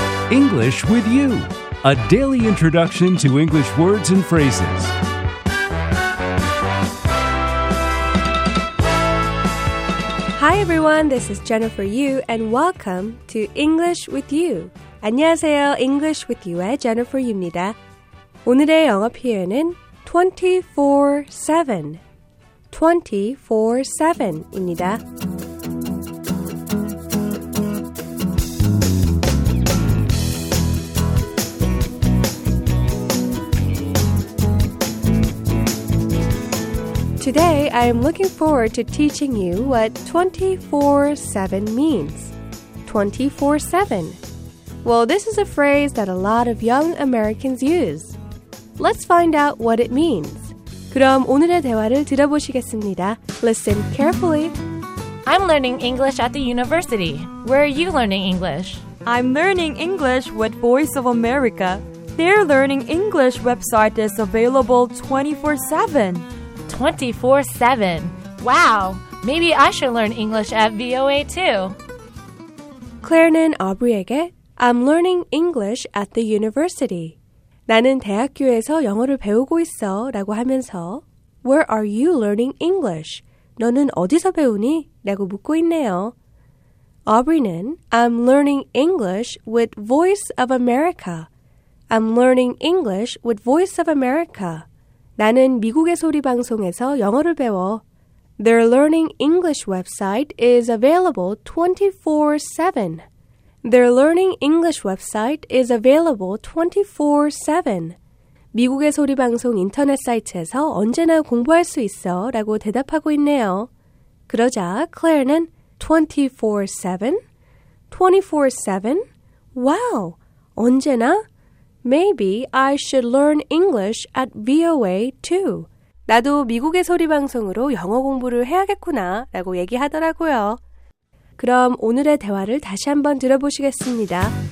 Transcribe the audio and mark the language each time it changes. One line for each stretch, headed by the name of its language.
English: English with you, a daily introduction to English words and phrases. Hi everyone, this is Jennifer Yu and welcome to English with you.
Korean: 안녕하세요, English with you의 Jennifer Yu입니다. 오늘의 영어 표현은 24/7입니다.
English: 24/7. Today, I am looking forward to teaching you what 24/7 means. 24/7. Well, this is a phrase that a lot of young Americans use. Let's find out what it means.
Korean: 그럼 오늘의 대화를 들어보시겠습니다.
English: Listen carefully. I'm learning English at the university. Where are you learning English? I'm learning English with Voice of America. Their learning English website is available 24/7. 24/7. Wow, maybe I should learn English at VOA too. Claire는 Aubrey에게, I'm learning English at the university.
Korean: 나는 대학교에서 영어를 배우고 있어 라고 하면서,
English: Where are you learning English?
Korean: 너는 어디서 배우니? 라고 묻고 있네요.
English: Aubrey는, I'm learning English with Voice of America. I'm learning English with Voice of America.
Korean: 나는 미국의 소리 방송에서 영어를 배워.
English: Their learning English website is available 24/7. Their learning English website is available 24/7.
Korean: 미국의 소리 방송 인터넷 사이트에서 언제나 공부할 수 있어 라고 대답하고 있네요. 그러자 클레어는 24/7? 24/7? Wow! 언제나?
English: Maybe I should learn English at VOA too.
Korean: 나도 미국의 소리 방송으로 영어 공부를 해야겠구나 라고 얘기하더라고요. 그럼 오늘의 대화를 다시 한번 들어보시겠습니다.